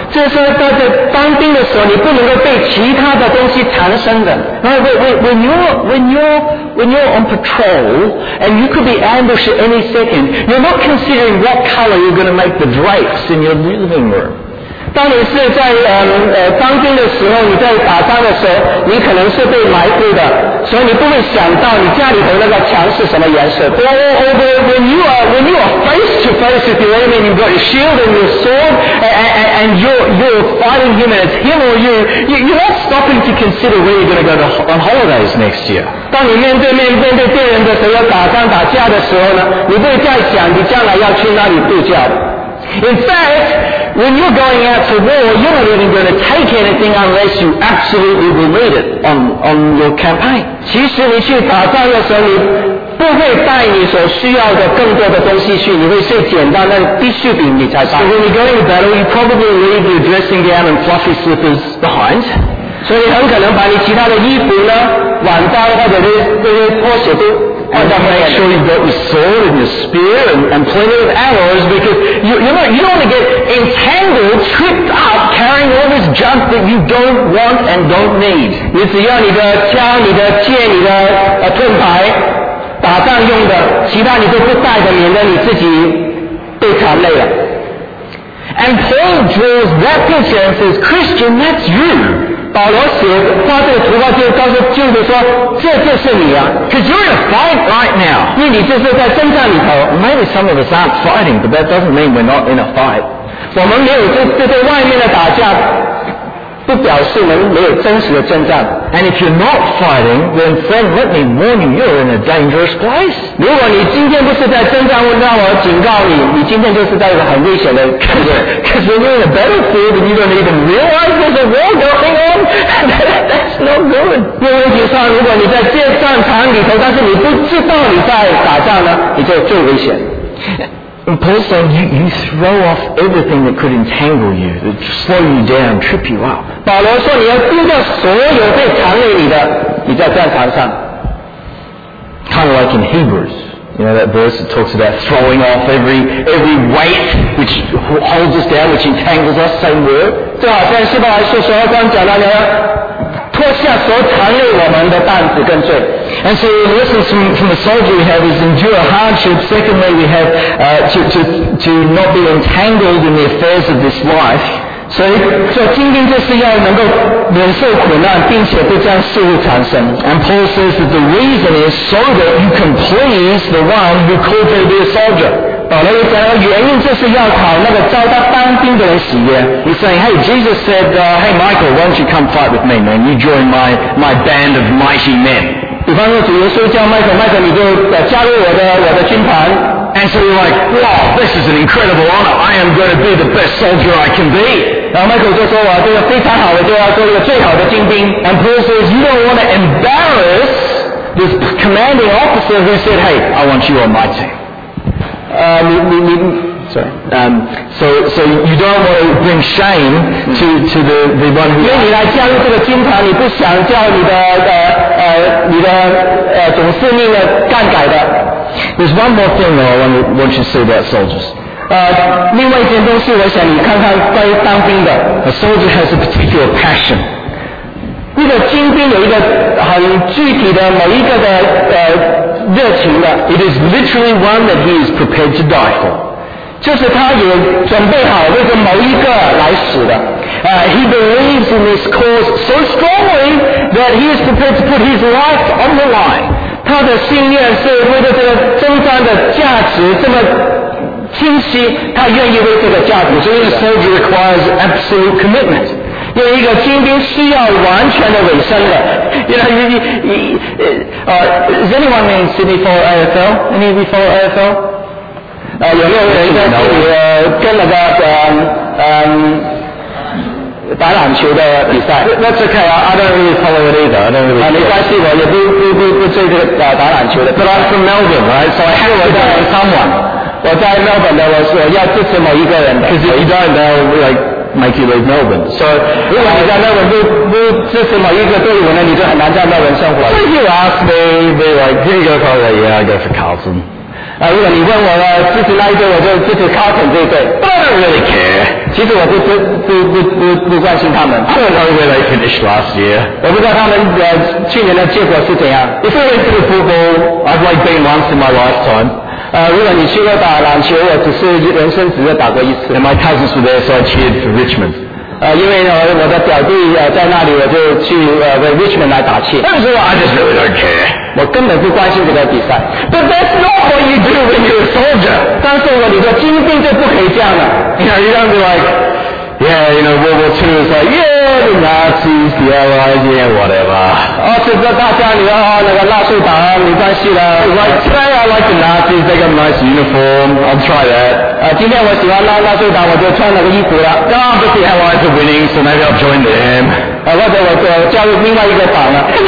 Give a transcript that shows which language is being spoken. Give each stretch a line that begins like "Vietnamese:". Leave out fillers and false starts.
Chinese: 就是说在当兵的时候，你不能够被其他的东西缠身的。
English: When you're on patrol and you could be ambushed at any second, you're not considering what color you're going to make the drapes in your living room.
Chinese: 当你是在当兵的时候，你在打仗的时候，你可能是被埋伏的，所以你不会想到你家里头那个墙是什么颜色。
English: When you are face to face with your enemy, you've got your shield and your sword, and you're fighting him and it's him or you, you're not stopping to consider where you're going to go on holidays next year.
Chinese: 当你面对敌人的时候，要打仗打架的时候呢，你不会再想你将来要去哪里度假的。
English: In fact, when you're going out to war, you're not even going to take anything unless you absolutely will need it on your campaign.
Chinese: 其实你去打仗的时候，你不会带你所需要的更多的东西去，你会是简单的必需品你才带。
English: So when you go into battle, you probably leave your dressing gown and fluffy slippers behind.
Chinese: 所以很可能把你其他的衣服呢、晚袋或者这些拖鞋都。
English: And make sure you've got your sword and your spear and plenty of arrows because you don't want to get entangled, tripped up, carrying all this junk that you don't want and don't need.
Chinese: 你只要你的枪、你的剑、你的盾牌，打仗用的，其他你都不带着，免得你自己被缠累了。
English: And Paul draws that picture and says, Christian, that's you.
Chinese: 保罗写发这个图画就告诉基督徒说这就是你啊
English: Cause you're in a fight right now
Chinese: 因为你就是在征战里头
English: Maybe some of us aren't fighting but that doesn't mean we're not in a fight
Chinese: 我们没有就对外面的打架不表示能没有真实的征战。
English: And if you're not fighting, then friend, let me warn you, you're in a dangerous place.
Chinese: 如果你今天不是在征战，让我警告你，你今天就是在一个很危险的。
English: Because you're in a battlefield and you don't even realize there's a war going on. That's no good.
Chinese: 因为就算如果你在这战场里头，但是你不知道你在打仗呢，你就最危险。
English: And Paul said, you throw off everything that could entangle you, that slow you down, trip you up.
Chinese: 保罗说你要丢掉所有被缠累你的，你在战场上。
English: Kind of like in Hebrews, you know that verse that talks about throwing off every weight which holds us down, which entangles us, same word.
Chinese: 就好像希伯来书十二章讲到你要脱下所缠累我们的担子跟罪。
English: And so the lessons from the soldier we have is endure hardship. Secondly, we have to not be entangled in the affairs of this life. So
Chinese: 今天就是要能够忍受苦难，并且不将事物缠身。
English: And Paul says that the reason is so that you can please the one who called you to be a soldier.
Chinese: 保罗讲的原因就是要讨那个招他当兵的人喜悦。
English: He's saying, hey, Jesus said, hey, Michael, why don't you come fight with me, man? You join my band of mighty men.
Chinese: 比方说主耶稣叫麦克，麦克你就加入我的军团。
English: And so you're like, wow, this is an incredible honor. I am going to be the best soldier I can be.
Chinese: 然后麦克就说我这个非常好，我就要做一个最好的精兵。
English: And Paul says, you don't want to embarrass this commanding officer who said, hey, I want you on my team. So you don't want to bring shame to the one who.
Chinese: 因为你来加入这个军团，你不想叫你的总司令的干改的。
English: There's one more thing though I want you to see about soldiers.
Chinese: 另外一件东西，我想你看看关于当兵的。
English: A soldier has a particular passion.
Chinese: 那个军兵有一个很具体的某一个的热情的。
English: It is literally one that he is prepared to die for.
Chinese: 就是他也准备好为着某一个来死的。
English: He believes in this cause so strongly that he is prepared to put his life on the line.
Chinese: 他的信念是为了这个征战的价值这么清晰，他愿意为这个价值。
English: So a soldier requires absolute commitment.
Chinese: 因为一个军兵需要完全的委身的。
English: You know, is anyone in Sydney for AFL? Any of you for AFL?
Chinese: 有没有人在这里跟那个打篮球的比赛
English: ？That's okay. I don't really follow it either. I don't really.
Chinese: 没关系，我也不追这个打篮球的。
English: But I'm from Melbourne, right? So I have to support someone.
Chinese: 我在 Melbourne 的，我要支持某一个人的。
English: Because you don't know, like. Make you leave Melbourne. So,
Chinese: 如果你在 Melbourne 不支持某一个队伍呢，你就很难在 Melbourne 生活。
English: If you ask me, be like, do you go for that? Yeah, I go for Carlton.
Chinese: 如果你问我呢，支持哪一队，我就支持 Carlton 这一队。
English: But I don't really care.
Chinese: 其实我不关心他们。
English: I don't know where they finished last year.
Chinese: 我不知道他们去年的结果是怎样。
English: If I went to the football, I've like been once in my lifetime.
Chinese: 如果你去过打篮球，我只是人生只是打过一次。
English: And my cousins were there, so I cheered for Richmond.
Chinese: 因为呢，我的表弟在那里，我就去为Richmond 来打气。但是
English: I just really don't care.
Chinese: 我根本不关心这个比赛。
English: But that's not what you do when you're a soldier.
Chinese: 但是呢，你的精兵就不可以这样了。
English: You know, you don't be like, yeah, you know, World War II is like, yeah, the Nazis, the Allies, yeah, whatever.
Chinese: 是这大家你要那个纳粹党没关系的。
English: Like today, I like the Nazis. They got nice uniform. I'll try that.
Chinese: 今天我喜欢纳粹党，我就穿那个衣服了。
English: Oh, but the Allies are winning, so maybe I'll join them.
Chinese: 或者我加入另外一个党了。